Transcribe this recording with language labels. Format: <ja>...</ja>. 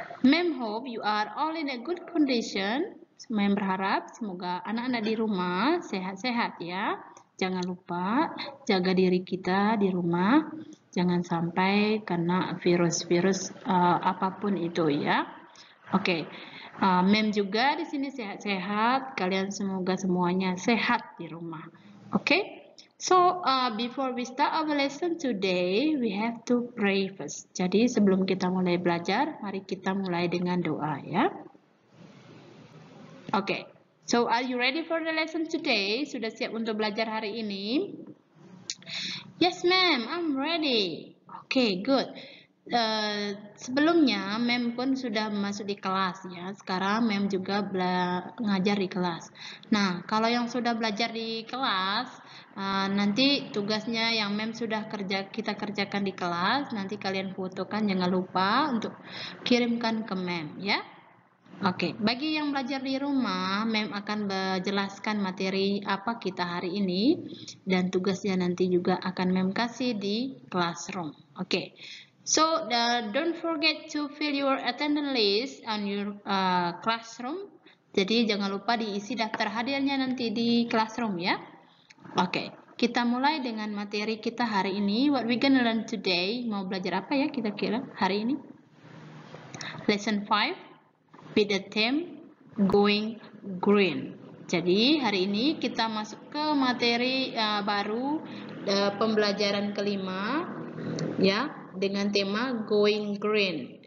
<en>Ma'am hope you are all in a good condition.</en> <id>Ma'am berharap semoga anak-anak di rumah sehat-sehat ya. Jangan lupa jaga diri kita di rumah. Jangan sampai kena virus-virus apapun itu ya. Oke, okay. Ma'am juga di sini sehat-sehat. Kalian semoga semuanya sehat di rumah. Oke? Okay?</id> <en>So, before we start our lesson today, we have to pray first.</en> <id>Jadi, sebelum kita mulai belajar, mari kita mulai dengan doa, ya.</id> <en>Okay. So, are you ready for the lesson today?</en> <id>Sudah siap untuk belajar hari ini?</id> <en>Yes, ma'am, I'm ready. Okay, good.</en> <id>Sebelumnya, ma'am pun sudah masuk di kelas, ya. Sekarang, ma'am juga ngajar di kelas. Nah, kalau yang sudah belajar di kelas, nanti tugasnya yang mem sudah kita kerjakan di kelas, nanti kalian fotokan, jangan lupa untuk kirimkan ke mem ya. Oke, okay. Bagi yang belajar di rumah, mem akan menjelaskan materi apa kita hari ini dan tugasnya nanti juga akan mem kasih di classroom. Oke. Okay.</id> <en>So, don't forget to fill your attendance list on your classroom.</en> <id>Jadi jangan lupa diisi daftar hadirnya nanti di classroom ya. Oke, okay. Kita mulai dengan materi kita hari ini.</id> <en>What we gonna learn today?</en> <id>Mau belajar apa ya kira-kira hari ini?</id> <en>Lesson 5, with the theme going green.</en> <id>Jadi hari ini kita masuk ke materi baru pembelajaran kelima ya, dengan tema going green.</id>